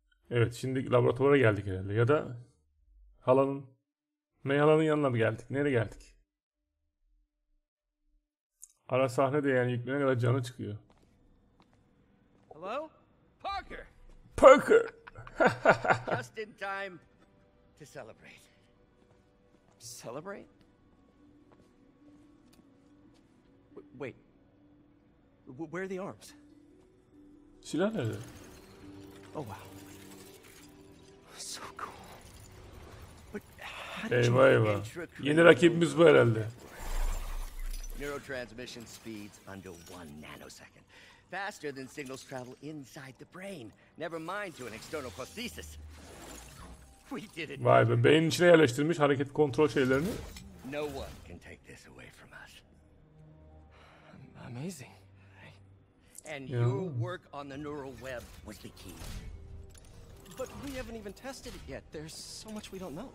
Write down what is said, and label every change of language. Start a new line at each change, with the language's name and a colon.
Turkish: Evet, şimdi laboratuvara geldik herhalde. Ya da halanın, May halanın yanına mı geldik? Nereye geldik? Ara sahnede yani yüklene kadar canı çıkıyor.
English: Hello? Parker! Parker! Just in time to celebrate. Celebrate? Wait. Where are the arms?
Turkish: Silah nerede?
English: Oh wow. So cool. But how did
Turkish: eyvah
English: you eyvah.
Turkish: Yeni rakibimiz bu herhalde.
English: Neurotransmission speeds under 1 nanosecond. Faster than signals travel inside the brain. Never mind to an external prosthesis.
Turkish: Vay be, beynin içine yerleştirmiş hareket kontrol şeylerini.
English: No one can take this away from us. Amazing. And your work on the neural web was the key. But we haven't even tested it yet. There's so much we don't know.